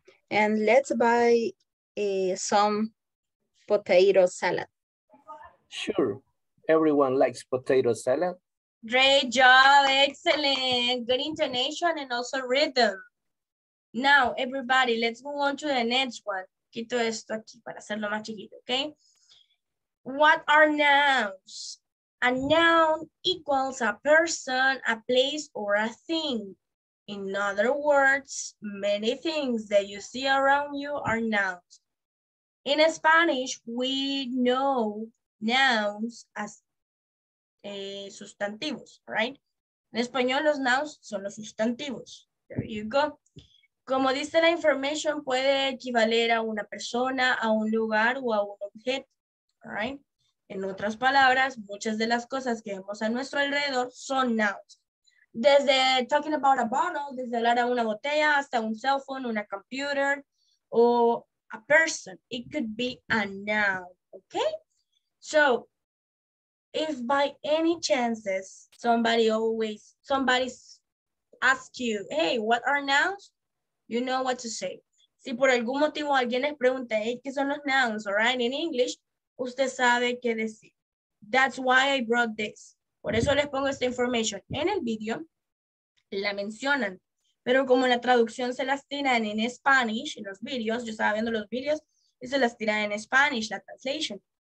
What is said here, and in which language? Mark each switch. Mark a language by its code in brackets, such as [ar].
[en] And let's buy some potato salad. Sure, everyone likes potato salad. Great job, excellent. Good intonation and also rhythm. Now, everybody, let's move on to the next one. [es] Quito esto aquí para hacerlo más chiquito, okay? [en] What are nouns? A noun equals a person, a place, or a thing. In other words, many things that you see around you are nouns. In Spanish, we know nouns as sustantivos, right? [es] En español, los nouns son los sustantivos. [en] There you go. [es] Como dice la information, puede equivaler a una persona, a un lugar o a un objeto, right? En otras palabras, muchas de las cosas que vemos a nuestro alrededor son nouns. Desde [en] talking about a bottle, [es] desde hablar a una botella, hasta un cell phone, una computer, o [en] a person. It could be a noun, okay? So, if by any chances somebody asks you, hey, what are nouns? You know what to say. [es] Si por algún motivo alguien les pregunta, hey, ¿qué son los nouns? [en] All right, in English, [es] usted sabe qué decir. [en] That's why I brought this. [es] Por eso les pongo esta información en el video. La mencionan. Pero como la traducción se las tiran en Spanish, en los videos, yo estaba viendo los videos, y se las tiran en Spanish, la translation.